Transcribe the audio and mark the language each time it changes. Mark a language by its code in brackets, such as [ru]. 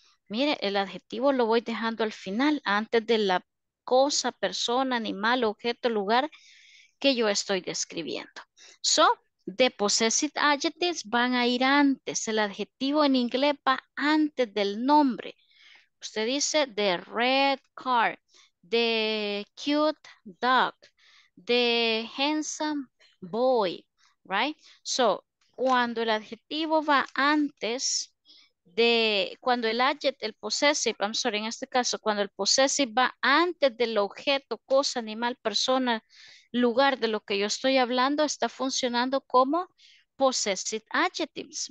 [es] Mire, el adjetivo lo voy dejando al final, antes de la cosa, persona, animal, objeto, lugar que yo estoy describiendo. So, the possessive adjectives van a ir antes. El adjetivo en inglés va antes del nombre. Usted dice [en] the red car, the cute dog, the handsome boy, [es] right? So, cuando el adjetivo va antes de, cuando el adjective, el possessive, [en] I'm sorry, [es] en este caso, cuando el possessive va antes del objeto, cosa, animal, persona, lugar de lo que yo estoy hablando, está funcionando como possessive adjectives.